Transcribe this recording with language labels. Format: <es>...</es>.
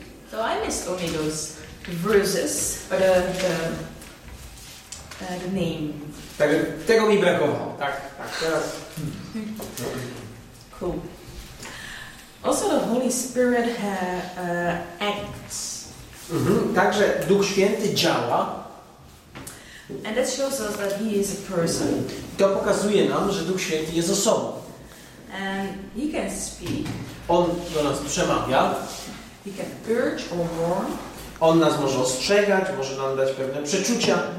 <en>So I missed only those verses, but the name.</en> <pl>Tego mi brakowało. Tak, tak. Teraz.</pl> <en>Cool. Also the Holy Spirit acts. Mm-hmm.</en> <pl>Także Duch Święty działa.</pl> <en>And that shows us that he is a person.</en> <pl>To pokazuje nam, że Duch Święty jest osobą.</pl> <en>And he can speak.</en> <pl>On do nas przemawia.</pl> <en>He can urge or warn.</en> <pl>On nas może ostrzegać, może nam dać pewne przeczucia.</pl>